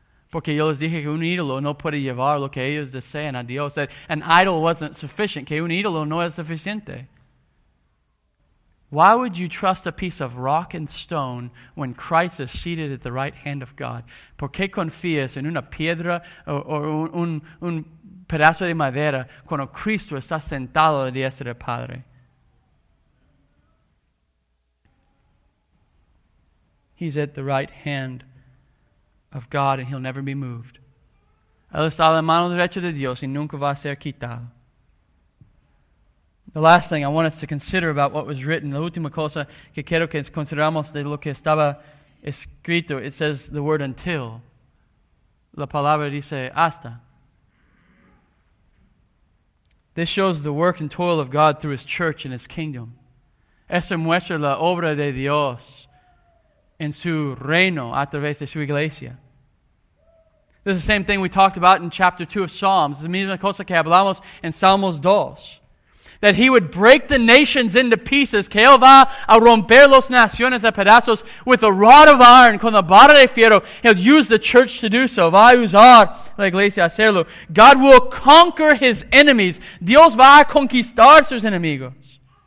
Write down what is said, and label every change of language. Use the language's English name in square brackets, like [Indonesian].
[Spanish] Porque yo les dije que un ídolo no puede llevar lo que ellos desean a Dios. [English] That an idol wasn't sufficient. [Spanish] Que un ídolo no es suficiente. [English] Why would you trust a piece of rock and stone when Christ is seated at the right hand of God? [Spanish] ¿Por qué confías en una piedra o un pedazo de madera cuando Cristo está sentado a la diestra del Padre? [English] He's at the right hand of God and He'll never be moved. [Spanish] Él está a la mano derecha de Dios y nunca va a ser quitado. [English] The last thing I want us to consider about what was written, [Spanish] la última cosa que quiero que consideramos de lo que estaba escrito, [English] it says the word until. [Spanish] La palabra dice hasta. [English] This shows the work and toil of God through His church and His kingdom. [Spanish] Eso muestra la obra de Dios en su reino a través de su iglesia. [English] This is the same thing we talked about in chapter 2 of Psalms. [Spanish] Es la misma cosa que hablamos en Salmos 2. [English] That He would break the nations into pieces. [Spanish] Que Él va a romper las naciones a pedazos [English] with a rod of iron, [Spanish] con la barra de fierro. [English] He'll use the church to do so. [Spanish] Va a usar la iglesia a hacerlo. [English] God will conquer His enemies. [Spanish] Dios va a conquistar sus enemigos.